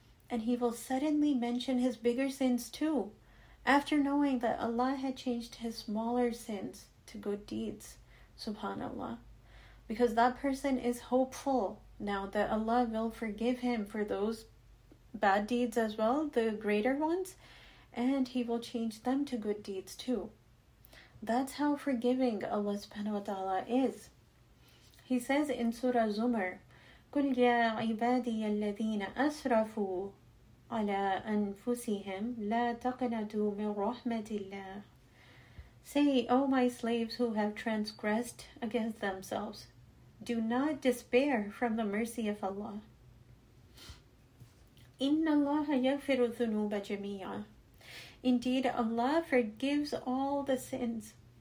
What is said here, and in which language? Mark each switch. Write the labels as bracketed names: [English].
[English] And he will suddenly mention his bigger sins too, after knowing that Allah had changed his smaller sins to good deeds. Subhanallah. Because that person is hopeful now that Allah will forgive him for those bad deeds as well, the greater ones, and he will change them to good deeds too. That's how forgiving Allah subhanahu wa ta'ala is. He says in Surah Zumar, [Arabic] قُلْ يَا عِبَادِيَ الَّذِينَ أَسْرَفُوا عَلَىٰ أَنفُسِهِمْ لَا تَقْنَتُوا مِنْ رَحْمَةِ اللَّهِ. [English] Say, O my slaves who have transgressed against themselves, do not despair from the mercy of Allah. [Arabic] إِنَّ اللَّهَ يَغْفِرُ الذُّنُوبَ جَمِيعًا. [English] Indeed, Allah forgives all the sins.